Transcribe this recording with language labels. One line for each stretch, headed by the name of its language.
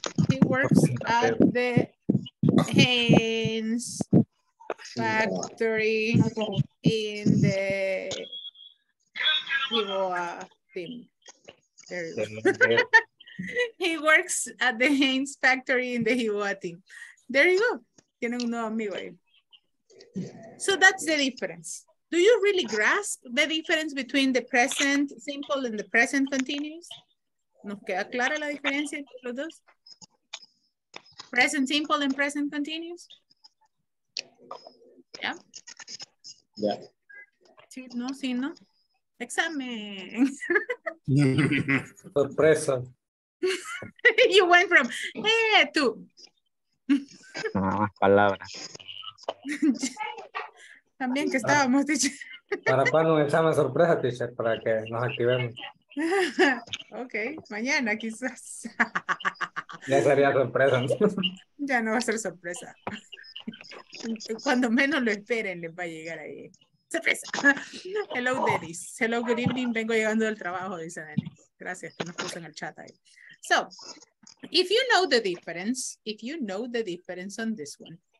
English: He works at the Haynes factory in the Gilboa team. There you go. He works at the Haynes factory in the Gilboa team. There you go.
Spanish: Tienen un nuevo amigo ahí.
English: So that's the difference. Do you really grasp the difference between the present simple and the present continuous?
Spanish: ¿Nos queda clara la diferencia entre los dos?
English: Present simple and present continuous? Yeah? Yeah.
Spanish: Sí, no? Examen. Sorpresa.
English: You went from to.
Spanish: Más palabras. También que estábamos, teacher. Para poner un examen sorpresa, teacher, para que nos activemos. Ok, mañana quizás. Ya sería sorpresa, ¿no? Ya no va a ser sorpresa. Cuando menos lo esperen, les va a llegar ahí. Sorpresa.
English: Hello, Dennis. Hello, good evening.
Spanish: Vengo llegando del trabajo, dice Dennis. Gracias, que nos puso en el chat ahí.
English: So, if you know the difference on this one.